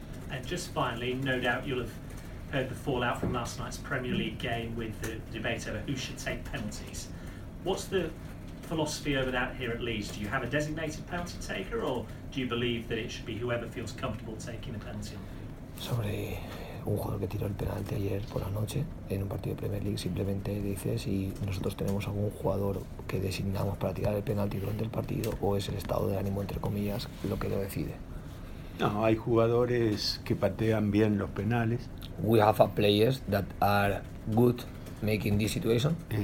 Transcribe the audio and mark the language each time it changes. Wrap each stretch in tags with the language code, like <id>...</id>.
<en>And just finally, no doubt you'll have heard the fallout from last night's Premier League game with the debate over who should take penalties. What's the philosophy over that here at Leeds? Do you have a designated penalty taker, or do you believe that it should be whoever feels comfortable taking the penalty on?</en> <es>Sobre un jugador que tiró el penalti ayer por la noche en un partido de Premier League, simplemente dice si nosotros tenemos algún jugador que designamos para tirar el penalti durante el partido o es el estado de ánimo, entre comillas, lo que lo decide. No, hay jugadores que patean bien los penales.</es> <en>We have players that are good making this situation.</en>